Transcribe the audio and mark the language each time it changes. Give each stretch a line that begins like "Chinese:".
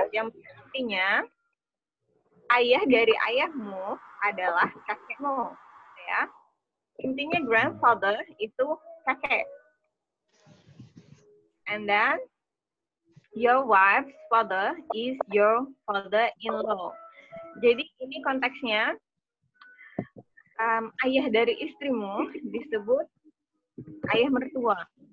Indonesian: Yang artinya ayah dari ayahmu adalah kakekmu, ya. Intinya grandfather itu kakek.
English: And then your wife's father is your father-in-law.
Indonesian: Jadi ini konteksnya ayah dari istrimu disebut ayah mertua.